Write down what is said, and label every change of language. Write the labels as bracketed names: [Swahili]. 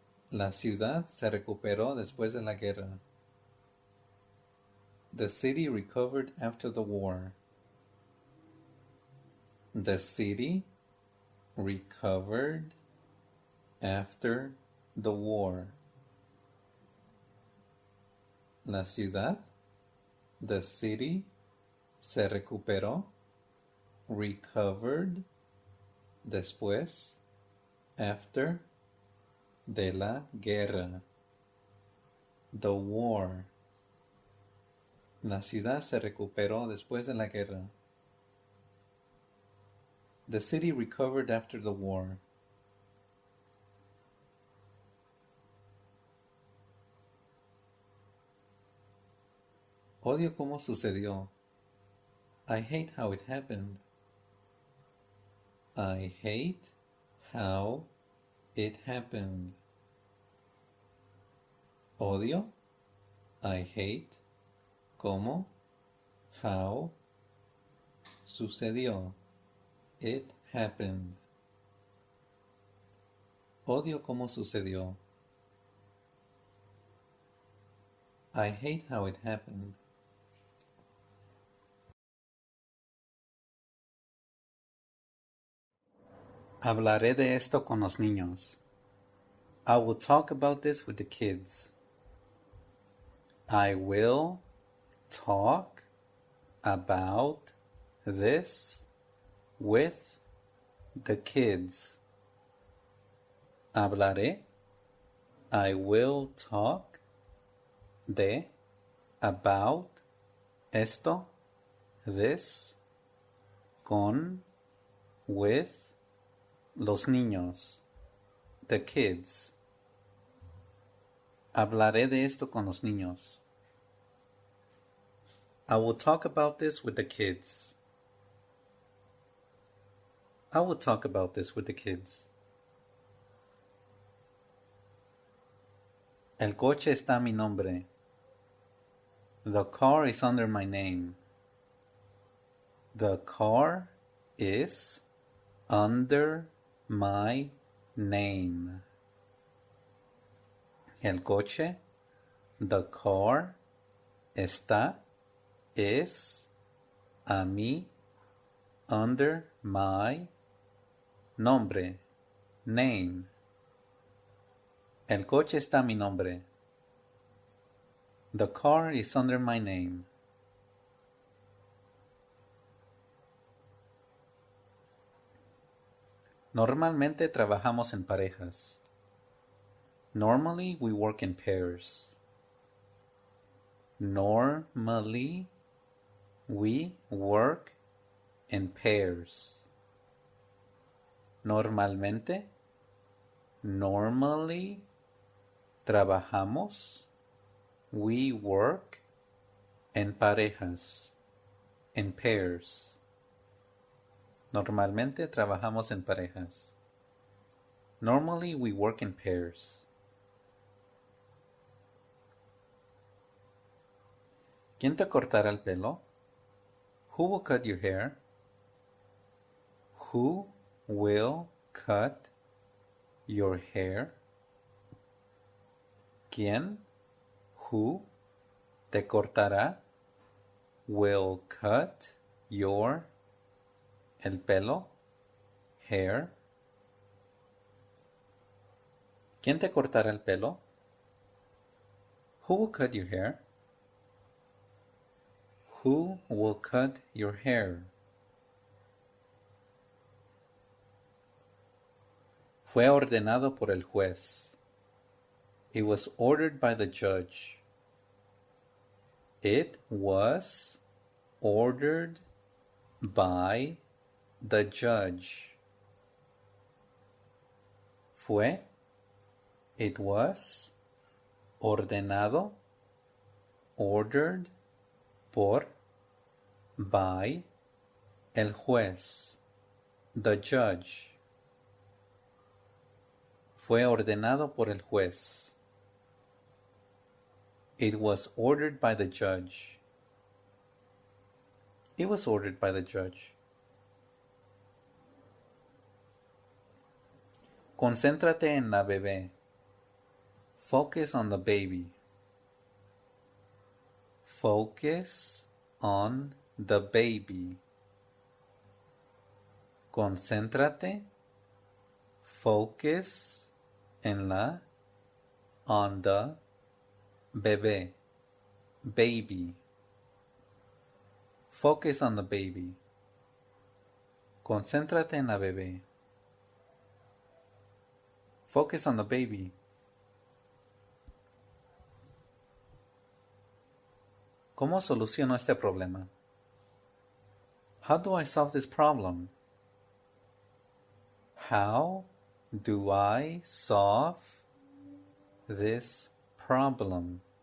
[Spanish] La ciudad se recuperó después de la guerra. [English] The city recovered after the war. The city recovered after the war. [Spanish] La ciudad, [English] the city, [Spanish] se recuperó, [English] recovered, [Spanish] después, [English] after, [Spanish] de la guerra. [English] The war. [Spanish] La ciudad se recuperó después de la guerra. [English] The city recovered after the war. [Spanish] Odio cómo sucedió. [English] I hate how it happened. I hate how it happened. [Spanish] Odio, [English] I hate, [Spanish] cómo, [English] how, [Spanish] sucedió, [English] it happened. [Spanish] Odio cómo sucedió. [English] I hate how it happened. [Spanish] Hablaré de esto con los niños. [English] I will talk about this with the kids. I will talk about this with the kids. [Spanish] Hablaré. [English] I will talk [Spanish] de [English] about [Spanish] esto, [English] this, [Spanish] con, [English] with, [Spanish] los niños, [English] the kids. [Spanish] Hablaré de esto con los niños. [English] I will talk about this with the kids. I will talk about this with the kids. [Spanish] El coche está a mi nombre. [English] The car is under my name. The car is under my name. [Spanish] El coche, [English] the car, [Spanish] está, [English] is, [Spanish] a mí, [English] under my [Spanish] nombre, [English] name. [Spanish] El coche está a mi nombre. [English] The car is under my name. [Spanish] Normalmente trabajamos en parejas. [English] Normally we work in pairs. Normally we work in pairs. [Spanish] Normalmente, [English] normally [Spanish] trabajamos, [English] we work [Spanish] en parejas, [English] in pairs. [Spanish] Normalmente trabajamos en parejas. [English] Normally we work in pairs. [Spanish] ¿Quién te cortará el pelo? [English] Who will cut your hair? Who will cut your hair? [Spanish] ¿Quién? [English] Who [Spanish] te cortará? [English] Will cut your [Spanish] el pelo? [English] Hair. [Spanish] ¿Quién te cortará el pelo? [English] Who will cut your hair? Who will cut your hair? [Spanish] Fue ordenado por el juez. [English] It was ordered by the judge. It was ordered by the judge. [Spanish] Fue. [English] It was [Spanish] ordenado. [English] Ordered. [Spanish] Por, [English] by, [Spanish] el juez, [English] the judge. [Spanish] Fue ordenado por el juez. [English] It was ordered by the judge. It was ordered by the judge. [Spanish] Concéntrate en la bebé. [English] Focus on the baby. Focus on the baby. [Spanish] Concéntrate. [English] Focus [Spanish] en la. [English] On the. [Spanish] Bebé. [English] Baby. Focus on the baby. [Spanish] Concéntrate en la bebé. [English] Focus on the baby. [Spanish] ¿Cómo soluciono este problema? [English] How do I solve this problem? How do I solve this problem?